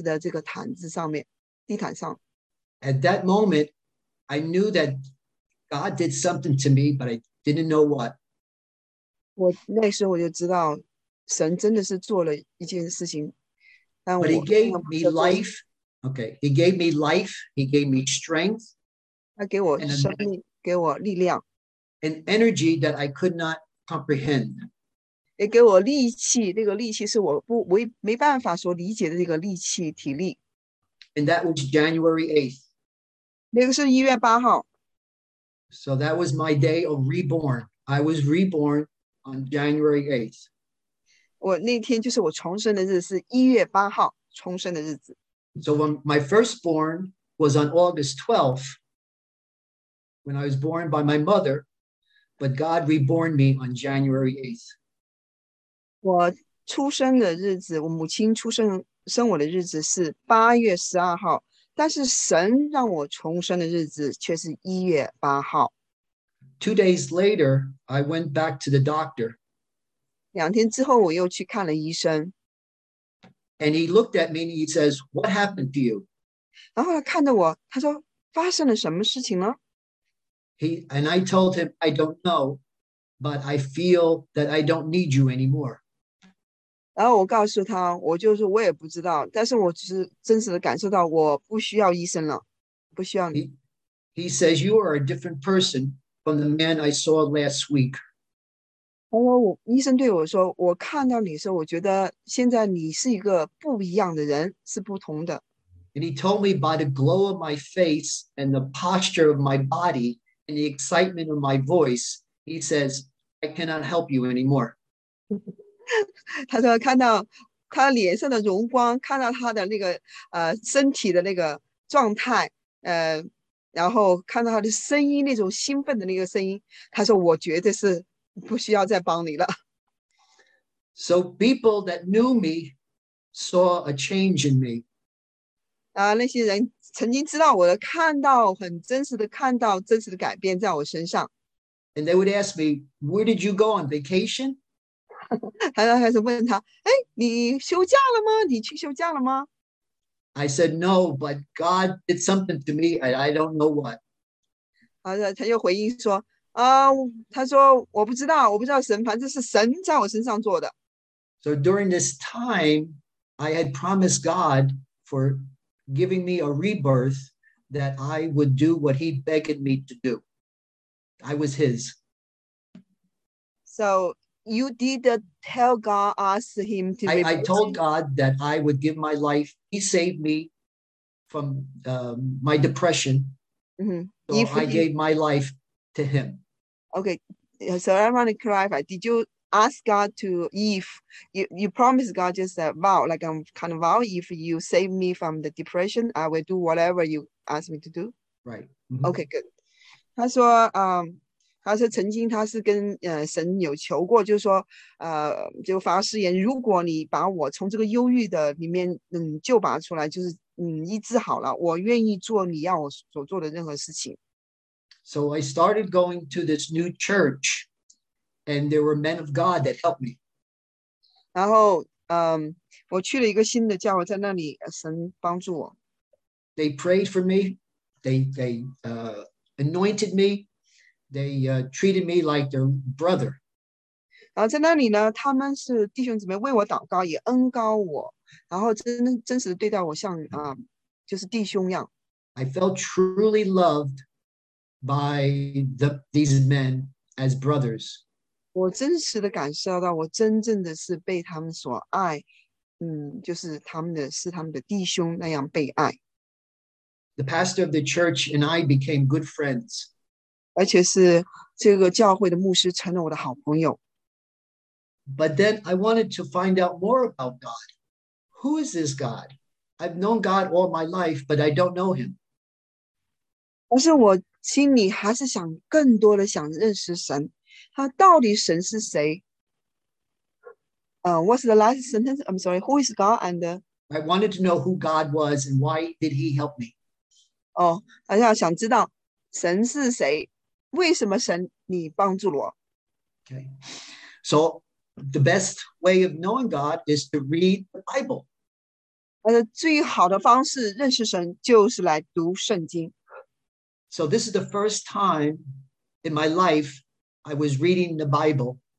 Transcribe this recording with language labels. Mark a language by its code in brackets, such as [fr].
[zh] 我却从靠近天花板又掉下来，就躺在地上房子的这个毯子上面，地毯上。 [en] At that moment, I knew that God did something to me, but I didn't know what. [zh] 我那时候我就知道神真的是做了一件事情，但我。 [en] But He gave me life. Okay, He gave me life. He gave me strength. [zh] 他给我生命，给我力量。 [en] An energy that I could not comprehend. [zh] 也给我力气，那个力气是我没办法所理解的那个力气、体力。 [en] And that was January 8th. [zh] 那个是1月8号。 [en] So that was my day of reborn. I was reborn on January 8th. [zh] 我那天就是我重生的日子，是1月8号重生的日子。 [en] So when my firstborn was on August 12th, when I was born by my mother, but God reborn me on January 8th. [zh] 我出生的日子，我母亲出生生我的日子是8月12号，但是神让我重生的日子却是1月8号。 [en] Two days later, I went back to the doctor. [zh] 两天之后，我又去看了医生。 [en] And he looked at me and he says, "What happened to you?" [zh] 然后他看着我，他说，发生了什么事情呢？ [en] And I told him, "I don't know, but I feel that I don't need you anymore." [zh] 然后我告诉他，我就是我也不知道，但是我只是真实的感受到我不需要医生了，不需要你。 [en] He says, "You are a different person from the man I saw last week." [zh] 我医生对我说，我看到你的时候，我觉得现在你是一个不一样的人，是不同的。 [en] And he told me by the glow of my face and the posture of my body and the excitement of my voice, he says, "I cannot help you anymore." [zh] 他说看到他脸上的容光，看到他的那个身体的那个状态，然后看到他的声音那种兴奋的那个声音，他说我绝对是不需要再帮你了。 [en] So people that knew me saw a change in me. [zh] 那些人曾经知道我的，看到很真实的看到真实的改变在我身上。 [en] And they would ask me, "Where did you go on vacation?" [zh] 他就开始问他，哎，你休假了吗？你去休假了吗？ [en] I said no, but God did something to me, and I don't know what. [zh] 他又回应说，他说我不知道，我不知道神，反正是神在我身上做的。 [en] So during this time, I had promised God for giving me a rebirth that I would do what he begged me to do. I was his. So,You did tell God, ask him to be. I told God that I would give my life. He saved me from my depression. Mm-hmm. So I gave my life to him. Okay. So I want to clarify. Did you ask God to, if you promised God just a vow, like I'm kind of vow, if you save me from the depression, I will do whatever you ask me to do? Right. Mm-hmm. Okay, good. [zh] 他说他是曾经他是跟神有求过，就是说就发誓言，如果你把我从这个忧郁的里面救拔出来，就是医治好了，我愿意做你要我所做的任何事情。 [en] So I started going to this new church and there were men of God that helped me. [zh] 然后我去了一个新的教会，在那里神帮助我。 [en] They prayed for me. They anointed me. They treated me like their brother. [zh] 然后在那里呢，他们是弟兄姊妹为我祷告，也恩膏我，然后真实的对待我像就是弟兄一样。 [en] I felt truly loved by these men as brothers. [zh] 我真实的感受到，我真正的是被他们所爱，就是他们的弟兄那样被爱。 [en] The pastor of the church and I became good friends. [zh] 而且是这个教会的牧师成了我的好朋友。 [en] But then I wanted to find out more about God. Who is this God? I've known God all my life, but I don't know him. [zh] 但是我心里还是想更多的想认识神。他到底神是谁？ [en] What's the last sentence? I'm sorry. Who is God? And I wanted to know who God was and why did he help me? [zh] 大家想知道神是谁。为什么神你帮助了我 [en] ？Okay, so the best way of knowing God is to read the Bible. [zh] 最好的方式认识神就是来读圣经。 [en] So this is the first time in my life I was reading the Bible.